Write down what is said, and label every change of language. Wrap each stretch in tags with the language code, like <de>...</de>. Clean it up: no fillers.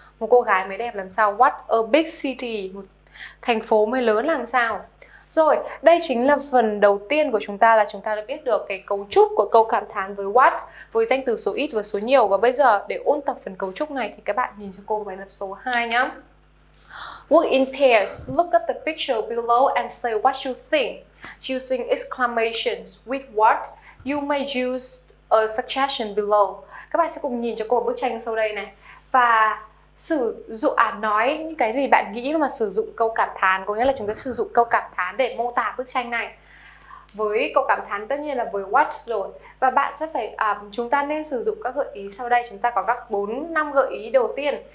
<vi>Một cô gái mới đẹp làm sao,</vi> <en>what a big city,</en> <vi>một thành phố mới lớn làm sao. Rồi, đây chính là phần đầu tiên của chúng ta, là chúng ta đã biết được cái cấu trúc của câu cảm thán với what, với danh từ số ít và số nhiều. Và bây giờ để ôn tập phần cấu trúc này thì các bạn nhìn cho cô bài tập số 2 nhé.</vi> <en>Work in pairs. Look at the picture below and say what you think. Using exclamations with what, you may use a suggestion below.</en> <vi>Các bạn sẽ cùng nhìn cho cô bức tranh sau đây này. Và sử dụng nói những cái gì bạn nghĩ mà sử dụng câu cảm thán. Có nghĩa là chúng ta sử dụng câu cảm thán để mô tả bức tranh này. Với câu cảm thán tất nhiên là với what rồi. Và bạn sẽ phải, chúng ta nên sử dụng các gợi ý sau đây. Chúng ta có các 4-5 gợi ý đầu tiên.</vi>